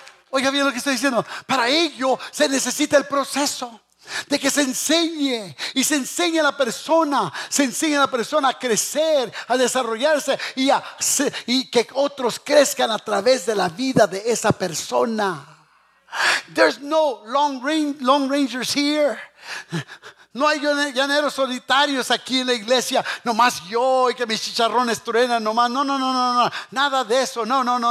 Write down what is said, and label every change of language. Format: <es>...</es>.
<es>Oiga bien lo que estoy diciendo. Para ello se necesita el proceso de que se enseñe, y se enseñe a la persona, se enseñe a la persona a crecer, a desarrollarse, y que otros crezcan a través de la vida de esa persona.</es> <en>There's no long rangers here.</en> <es>No hay llaneros solitarios aquí en la iglesia, nomás yo y que mis chicharrones truenan, nomás. No, nada de eso, no.</es>